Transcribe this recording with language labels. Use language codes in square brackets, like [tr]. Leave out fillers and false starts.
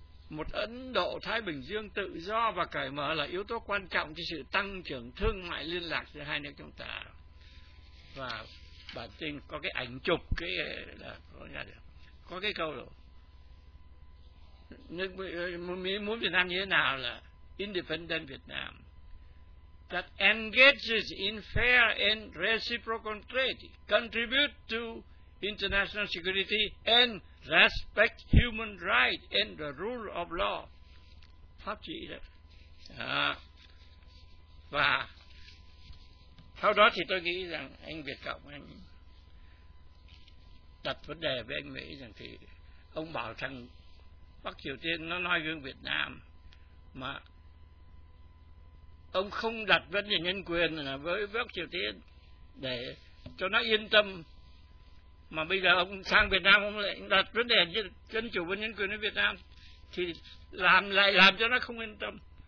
[vi] Một Ấn Độ Thái Bình Dương tự do và cởi mở là yếu tố quan trọng cho sự tăng trưởng thương mại liên lạc giữa hai nước chúng ta. Và bản tin có cái ảnh chụp cái là có cái câu rồi, nước Mỹ muốn Việt Nam như thế nào là independent Việt Nam, [en] that engages in fair and reciprocal trade, contribute to international security, and respect human rights and the rule of law. [vi] Pháp chỉ đó. Và sau đó thì tôi nghĩ rằng anh Việt Cộng anh đặt vấn đề với anh Mỹ rằng thì ông bảo rằng Bắc Triều Tiên nó nói gương Việt Nam, mà ông không đặt vấn đề nhân quyền với Bắc Triều Tiên để cho nó yên tâm, mà bây giờ ông sang Việt Nam ông lại đặt vấn đề dân chủ và nhân quyền ở Việt Nam thì làm cho nó không yên tâm.